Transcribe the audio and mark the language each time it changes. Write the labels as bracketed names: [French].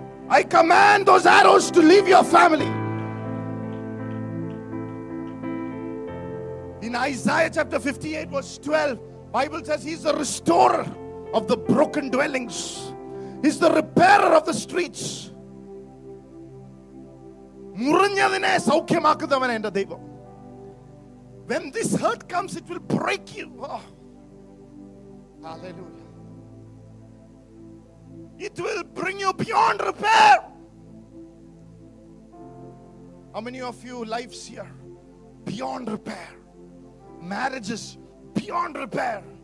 [English] I command those arrows to leave your family. In Isaiah chapter 58 verse 12, Bible says He's the restorer of the broken dwellings. He's the repairer of the streets. [Malayalam] മുറിഞ്ഞതിനെ സൗഖ്യമാക്കുന്നവൻ എൻ്റെ ദൈവം. [English] When this hurt comes, it will break you. Hallelujah. It will bring you beyond repair. How many of you lives here? Beyond repair. Marriages, beyond repair.